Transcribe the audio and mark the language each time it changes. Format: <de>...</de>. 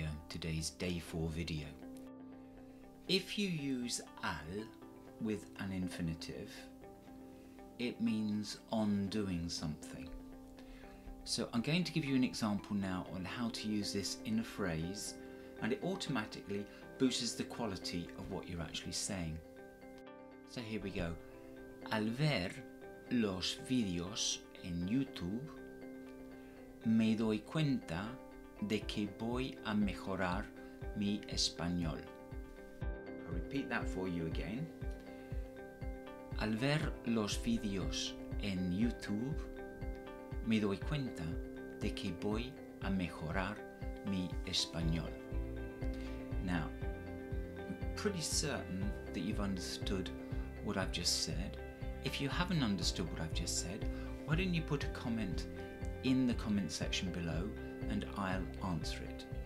<en>Today's day 4 video. If you use al with an infinitive, it means on doing something. So I'm going to give you an example now on how to use this in a phrase, and it automatically boosts the quality of what you're actually saying. So here we go.</en> <es>Al ver los videos en YouTube, me doy cuenta de que voy a mejorar mi español.</es> <en>I'll repeat that for you again.</en> <es>Al ver los videos en YouTube, me doy cuenta de que voy a mejorar mi español.</es> <en>Now, I'm pretty certain that you've understood what I've just said. If you haven't understood what I've just said, why don't you put a comment in the comment section below and I'll answer it.</en>